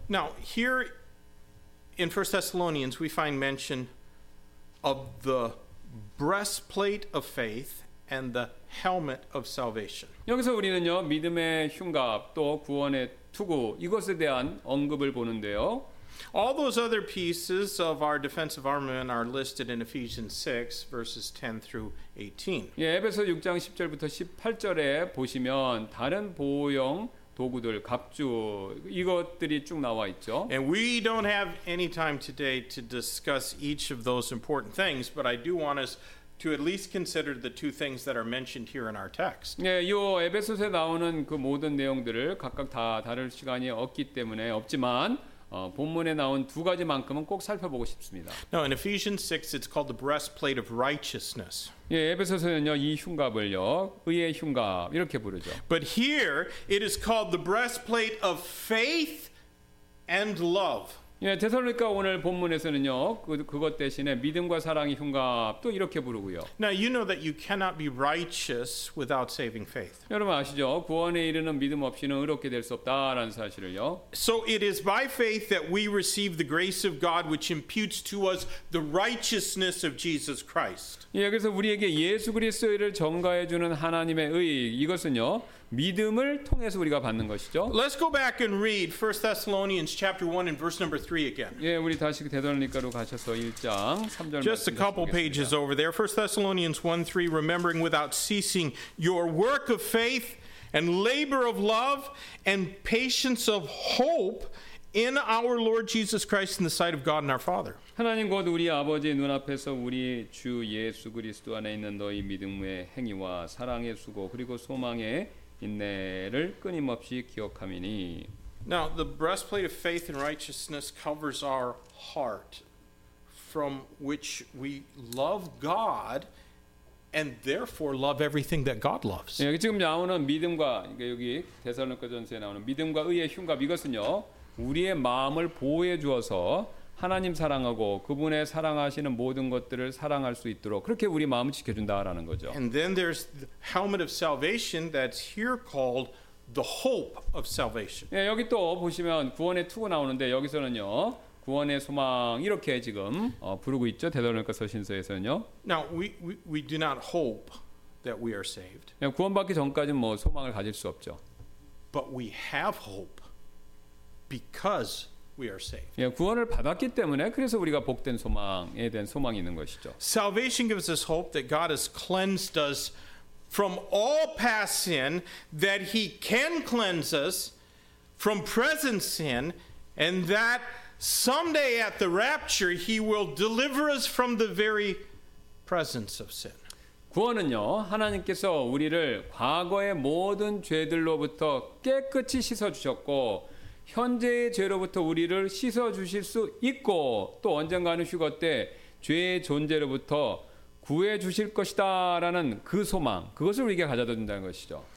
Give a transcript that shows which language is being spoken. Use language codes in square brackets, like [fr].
[en] Now here in 1 Thessalonians we find mention of the breastplate of faith and the helmet of salvation. [ko] 여기서 우리는요 믿음의 흉갑 또 구원의 투구 이것에 대한 언급을 보는데요. [en] All those other pieces of our defensive armament are listed in Ephesians 6 verses 10 through 18. [ko] 예, 에베소 6장 10절부터 18절에 보시면 다른 보호용 도구들, 갑주 이것들이 쭉 나와 있죠. [en] And we don't have any time today to discuss each of those important things, but I do want us to at least consider the two things that are mentioned here in our text. [ko] 네, 예, 요 에베소서에 나오는 그 모든 내용들을 각각 다 다룰 시간이 없기 때문에 없지만 본문에 나온 두 가지만큼은 꼭 살펴보고 싶습니다. [en] Now in Ephesians 6 it's called the breastplate of righteousness. [ko] 예, 에베소서는요 이 흉갑을요 의의 흉갑 이렇게 부르죠. [en] But here it is called the breastplate of faith and love. [ko] 예, 데살로니가 오늘 본문에서는요 그것 대신에 믿음과 사랑의 흉갑도 이렇게 부르고요. [en] Now you know that you cannot be righteous without saving faith. [ko] 여러분 아시죠? 구원에 이르는 믿음 없이는 의롭게 될 수 없다라는 사실을요. [en] So it is by faith that we receive the grace of God which imputes to us the righteousness of Jesus Christ. [ko] 예, 그래서 우리에게 예수 그리스도를 전가해 주는 하나님의 의 이것은요 믿음을 통해서 우리가 받는 것이죠. [en] Let's go back and read 1 Thessalonians chapter 1 and verse number 3 again. [ko] 예, 우리 다시 데살로니가로 가셔서 1장 3절 [en] Just a couple pages over there. 1 Thessalonians 1:3 remembering without ceasing your work of faith and labor of love and patience of hope in our Lord Jesus Christ in the sight of God and our Father. [ko] 하나님 곧 우리 아버지의 눈앞에서 우리 주 예수 그리스도 안에 있는 너희 믿음의 행위와 사랑의 수고 그리고 소망의 인내를 끊임없이 기억함이니. [en] Now the breastplate of faith and righteousness covers our heart from which we love God and therefore love everything that God loves. [ko] 예, 지금 나오는 믿음과 그러니까 여기 데살로니가전서에 나오는 믿음과 의의 흉갑 이것은요 우리의 마음을 보호해 주어서 하나님 사랑하고 그분의 사랑하시는 모든 것들을 사랑할 수 있도록 그렇게 우리 마음을 지켜준다라는 거죠. [en] And then there's the helmet of salvation that's here called the hope of salvation. [ko] 예, 여기 또 보시면 구원의 투구 나오는데 여기서는요. 구원의 소망 이렇게 지금 부르고 있죠. 데살로니가 서신서에서는요. [en] Now we do not hope that we are saved. [ko] 예, 구원받기 전까지는 뭐 소망을 가질 수 없죠. [en] But we have hope because we are saved. [ko] 예, 구원을 받았기 때문에 그래서 우리가 복된 소망에 대한 소망이 있는 것이죠. [en] Salvation gives us hope that God has cleansed us from all past sin, that he can cleanse us from present sin, and that someday at the rapture he will deliver us from the very presence of sin. [ko] 구원은요, 하나님께서 우리를 과거의 모든 죄들로부터 깨끗이 씻어 주셨고 현재의 죄로부터 우리를 씻어 주실 수 있고 또 언젠가는 휴거 때 죄의 존재로부터 구해 주실 것이다라는 그 소망, 그것을 우리에게 가져다 준다는 것이죠.